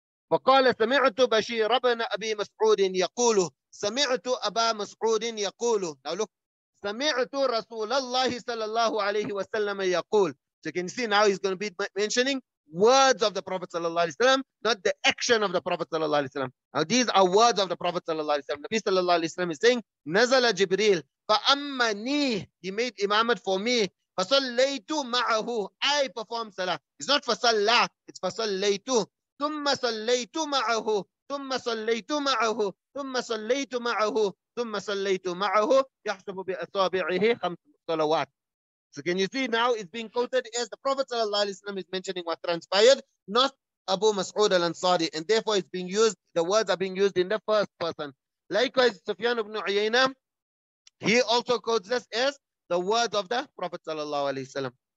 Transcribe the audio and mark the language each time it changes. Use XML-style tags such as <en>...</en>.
<ar>وقال سمعت بشير ابن ابي مسعود يقول سمعت ابا مسعود يقول.</ar> <en>Now look,</en> <ar>سمعت رسول الله صلى الله عليه وسلم يقول.</ar> <en>So can you see now he's going to be mentioning words of the Prophet صلى الله عليه وسلم, not the action of the Prophet صلى الله عليه وسلم. Now these are words of the Prophet صلى الله عليه وسلم.</en> <ar>النبي صلى الله عليه وسلم</ar> <en>is saying</en> <ar>نزل جبريل فأمني,</ar> <en>he made imamat for me.</en> <ar>فصليت معه,</ar> <en>I perform salah. It's not فصلى, it's فصليت.</en> <ar>ثم صليت معه ثم صليت معه ثم صليت معه ثم صليت معه يحسب بأصابعه خمس صلوات.</ar> <en>So can you see now it's being quoted as the Prophet sallallahu alaihi wasallam is mentioning what transpired, not Abu Mas'ud al-Ansari, and therefore it's being used, the words are being used in the first person. Likewise, Sufyan ibn Uyayna, he also quotes this as the words of the Prophet sallallahu alaihi wasallam.</en>